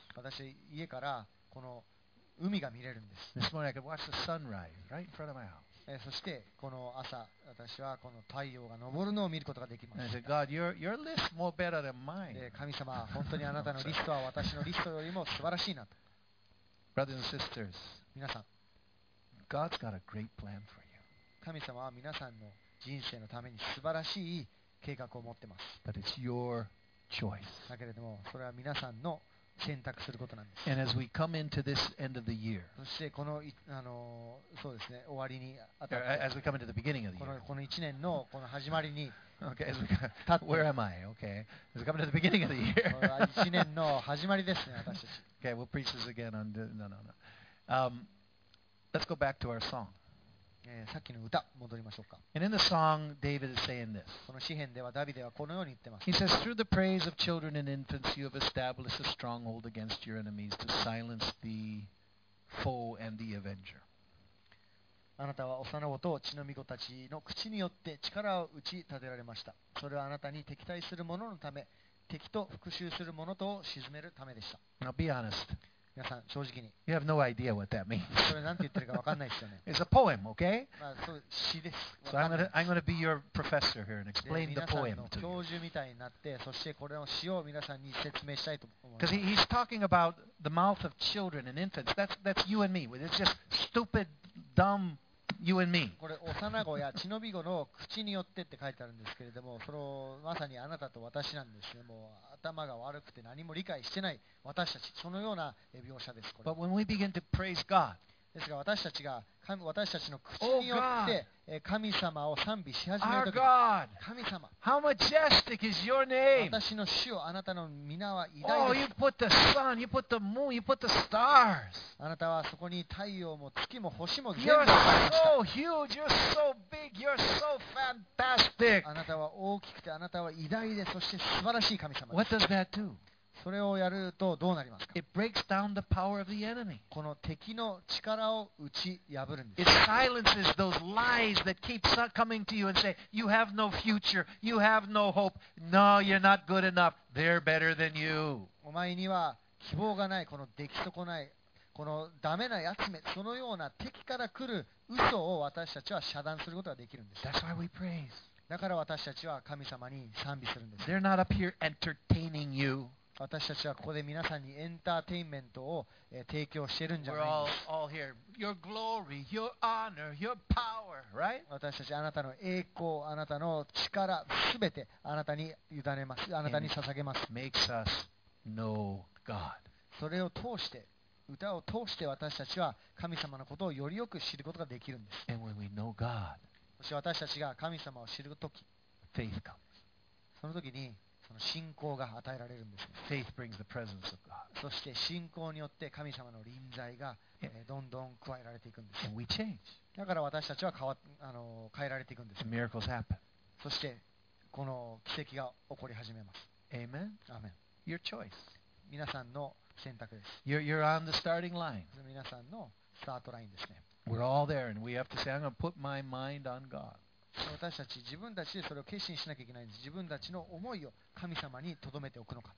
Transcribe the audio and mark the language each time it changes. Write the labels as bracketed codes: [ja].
[ja] 私家からこの海が見れるんです。 [en] This morning I could watch the sunrise right in front of my house. [ja] そしてこの朝私はこの太陽が昇るのを見ることができました。 [en] said, God, your list more better than mine. [ja] 神様、本当にあなたのリストは私のリストよりも素晴らしいなと。 [en] Brothers and sisters, [ja] 皆さん、 [en] God's got a great plan for you. [ja] 神様は皆さんの人生のために素晴らしい計画を持っています。 [en] But it's your choice. [ja] だけれどもそれは皆さんの選択することなんです。 [en] And as we come into this end of the year, [ja] そしてこの、そうですね、終わりに当たって、 [en] as we come into the beginning of the year, [ja] この1年のこの始まりに、 [en] okay, as we come, where am I? Okay, as we come into the beginning of the year, [ja] 1年の始まりですね、私たち。 [en] Okay, we'll preach this again on the, no. Let's go back to our song. [ja] さっきの歌戻りましょうか。 [en] And in the song, David is saying this. [ja] この詩編ではダビデはこのように言ってます。 [en] He says, through the praise of children and infants, you have established a stronghold against your enemies to silence the foe and the avenger. [ja] あなたは幼子と血の御子たちの口によって力を打ち立てられました。それはあなたに敵対する者のため、敵と復讐する者とを鎮めるためでした。 [en] Now be honest. [ja] 皆さん正直に。 [en] You have no idea what that means. [ja] それなんて言ってるか分かんないですよね。 [en] It's a poem, okay? [ja] まあ、そう、詩です。 [en] So I'm gonna be your professor here and explain the poem to you. [ja] 教授みたいになって、そしてこれの詩を皆さんに説明したいと思います。 [en] Because he's talking about the mouth of children and infants. That's you and me. It's just stupid, dumb you and me. [ja] これ幼子や血の美子の口によってって書いてあるんですけれども、そのまさにあなたと私なんですね。もう。頭が悪くて何も理解してない私たち、そのような描写です。 [en] But when we begin to praise God, [ja] ですが私たちが私たちの口によって神様を賛美し始めるとき、神様、 [en] How majestic is your name? [ja] 私の主よ、あなたの名は偉大です。 [en] Oh, you put the sun, you put the moon, you put the stars. [ja] あなたはそこに太陽も月も星も全部置きました。 [en] You're so huge, you're so big, you're so fantastic. [ja] あなたは大きくて、あなたは偉大で、そして素晴らしい神様です。 [en] What does that do? [ja] それをやるとどうなりますか。 [en] It breaks down the power of the enemy. [ja] この敵の力を打ち破るんです。 [en] It silences those lies that keep coming to you and say, you have no future, you have no hope, no, you're not good enough, they're better than you. [ja] お前には希望がない、この出来損ないこのダメなやつめ、そのような敵から来る嘘を私たちは遮断することができるんです。 [en] That's why we praise. [ja] だから私たちは神様に賛美するんです。 [en] They're not up here entertaining you. [ja] 私たちはここで皆さんにエンターテインメントを提供してるんじゃないんです [en] 。 We're all here. Your glory, your honor, your power, right? [ja] 私たちあなたの栄光、あなたの力、すべてあなたに委ねます。あなたに捧げます。 [en] And it makes us know God. [ja] それを通して、歌を通して私たちは神様のことをよりよく知ることができるんです。 [en] And when we know God, [ja] もし私たちが神様を知るとき、 [en] faith comes. [ja] その時に、その信仰が与えられるんです。 [en] Faith brings the presence of God. [ja] そして信仰によって神様の臨在がどんどん加えられていくんです。 [en] And we change. [ja] だから私たちは変えられていくんです。 [en] And miracles happen. [ja] そしてこの奇跡が起こり始めます。 [en] Amen. Amen. Your choice. [ja] 皆さんの選択です。 [en] You're on the starting line. [ja] 皆さんのスタートラインですね。 [en] We're all there, and we have to say, I'm going to put my mind on God. [ja] 私たち自分たちでそれを決心しなきゃいけないんです。自分たちの思いを神様に留めておくのか。